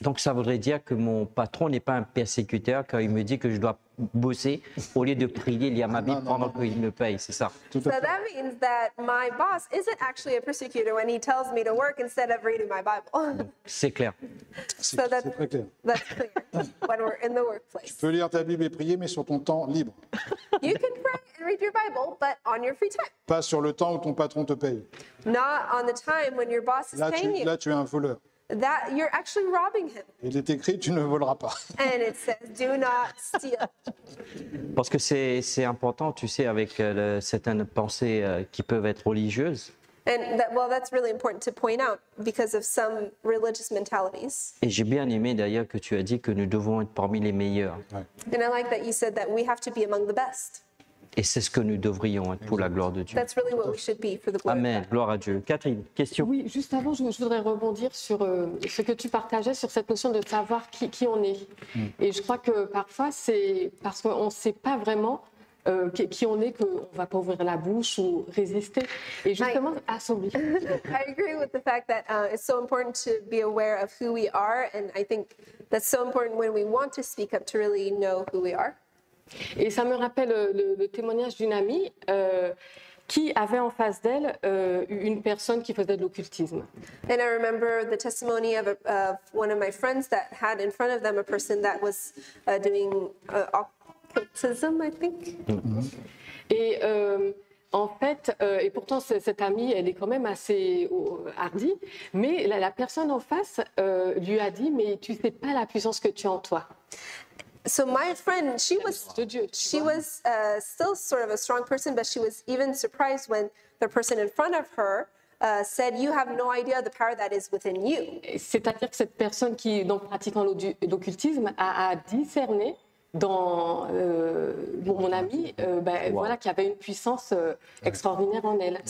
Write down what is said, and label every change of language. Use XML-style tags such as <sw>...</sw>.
<fr>Donc ça voudrait dire que mon patron n'est pas un persécuteur quand il me dit que je dois bosser au lieu de prier lié à ma Bible pendant qu'il me paye, c'est ça.</fr> <en>So that means that my boss isn't actually a persecutor when he tells me to work instead of reading my Bible.</en> <fr>C'est clair.</fr> <en>That's clear. When we're in the workplace.</en> <fr>Tu peux lire ta Bible et prier, mais sur ton temps libre.</fr> <en>You can pray and read your Bible, but on your free time.</en> <fr>Pas sur le temps où ton patron te paye.</fr> <en>Not on the time when your boss is paying you.</en> <fr>Là, tu es un voleur.</fr> <en>that you're actually robbing him.</en> <fr>Il est écrit, tu ne voleras pas.</fr> <en>And it says, do not steal.</en> <fr>Parce que c'est important, tu sais, avec certaines pensées qui peuvent être religieuses.</fr> <en>And that, well, that's really important to point out because of some religious mentalities.</en> <fr>Et j'ai bien aimé d'ailleurs que tu as dit que nous devons être parmi les meilleurs. Ouais.</fr> <en>And I like that you said that we have to be among the best.</en> <fr>Et c'est ce que nous devrions être pour la gloire de Dieu.</fr> <en>That's really what we should be for the glory.</en> <fr>Amen. Gloire à Dieu. Catherine, question. Oui, juste avant, je voudrais rebondir sur ce que tu partageais sur cette notion de savoir qui on est. Mm. Et je crois que parfois c'est parce qu'on ne sait pas vraiment. Qui on est, qu'on ne va pas ouvrir la bouche ou résister. Et justement, assombrir.</fr> <en>I agree with the fact that it's so important to be aware of who we are, and I think that's so important when we want to speak up to really know who we are.</en> <fr>Et ça me rappelle le témoignage d'une amie qui avait en face d'elle une personne qui faisait de l'occultisme.</fr> <en>And I remember the testimony of one of my friends that had in front of them a person that was doing occultism, I think. Mm-hmm.</en> <fr>Et en fait, et pourtant cette amie, elle est quand même assez hardie, mais la personne en face lui a dit, mais tu sais pas la puissance que tu as en toi.</fr> <en>So my friend, she was still sort of a strong person, but she was even surprised when the person in front of her said, you have no idea the power that is within you.</en> <fr>C'est-à-dire que cette personne qui, donc pratiquant l'occultisme, a discerné dans mon ami, voilà, qui avait une puissance extraordinaire en elle.</fr>